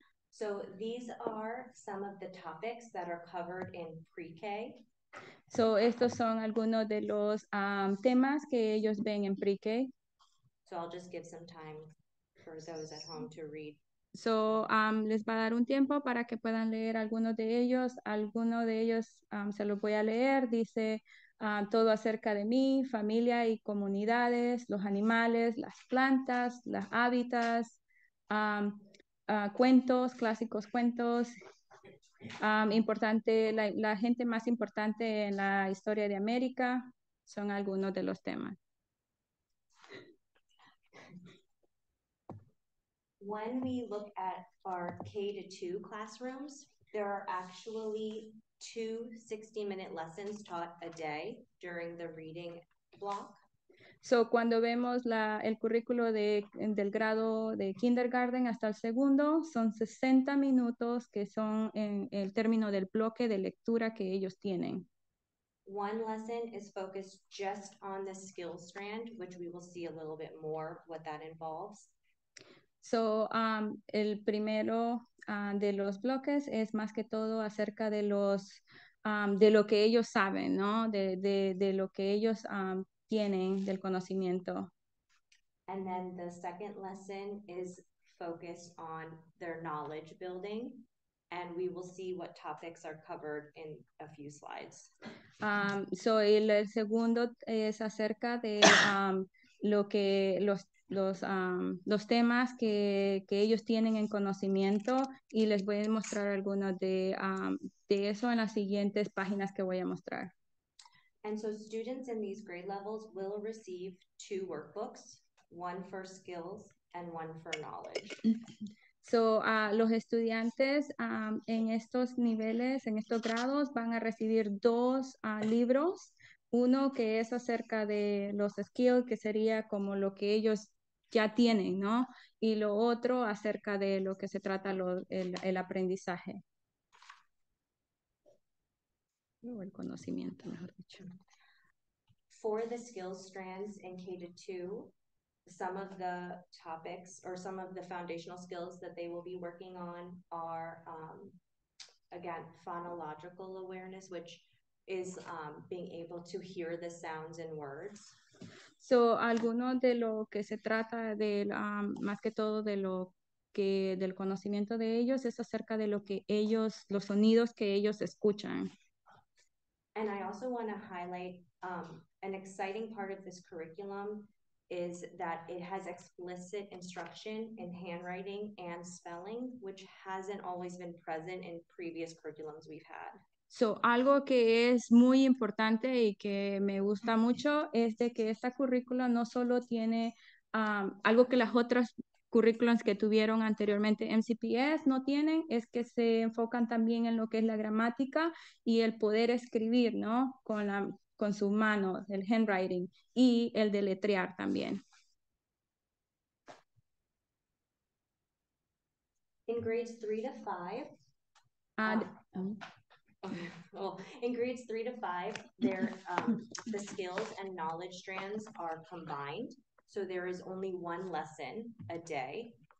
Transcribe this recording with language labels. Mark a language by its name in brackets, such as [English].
[English] So these are some of the topics that are covered in pre-K. [Spanish] So estos son algunos de los temas que ellos ven en pre-K. [English] So I'll just give some time for those at home to read. [Spanish] So les va a dar un tiempo para que puedan leer algunos de ellos. Alguno de ellos se los voy a leer. Dice todo acerca de mí, familia y comunidades, los animales, las plantas, los hábitats, cuentos, clásicos cuentos. Importante, la gente más importante en la historia de América son algunos de los temas. [English] When we look at our K to 2 classrooms, there are actually 2 60-minute lessons taught a day during the reading block. [Spanish] So cuando vemos la, el currículo de, del grado de kindergarten hasta el segundo, son 60 minutos que son en el término del bloque de lectura que ellos tienen. [English] One lesson is focused just on the skill strand, which we will see a little bit more what that involves. [Spanish] So, el primero de los bloques es más que todo acerca de los de lo que ellos saben, ¿no? De lo que ellos tienen del conocimiento. [English] And then the second lesson is focused on their knowledge building, and we will see what topics are covered in a few slides. [Spanish] So el segundo es acerca de lo que los temas que ellos tienen en conocimiento, y les voy a mostrar algunos de eso en las siguientes páginas que voy a mostrar. [English] And so students in these grade levels will receive two workbooks, one for skills and one for knowledge. [Spanish] So los estudiantes en estos niveles, en estos grados, van a recibir dos libros, uno que es acerca de los skills, que sería como lo que ellos ya tienen, ¿no? Y lo otro acerca de lo que se trata el aprendizaje. O el conocimiento, mejor dicho. [English] For the skills strands in K-2, some of the topics or some of the foundational skills that they will be working on are, again, phonological awareness, which is being able to hear the sounds in words. [Spanish] So, algunos de lo que se trata de, más que todo de lo que, del conocimiento de ellos, es acerca de lo que ellos, los sonidos que ellos escuchan. [English] And I also want to highlight an exciting part of this curriculum is that it has explicit instruction in handwriting and spelling, which hasn't always been present in previous curriculums we've had. [Spanish] So, algo que es muy importante y que me gusta mucho es de que esta currícula no solo tiene algo que las otras currículums que tuvieron anteriormente MCPS no tienen, es que se enfocan también en lo que es la gramática y el poder escribir, ¿no? Con sus manos, el handwriting y el deletrear también. [English] In grades 3 to 5, in grades 3 to 5, the skills and knowledge strands are combined, so there is only one lesson a day.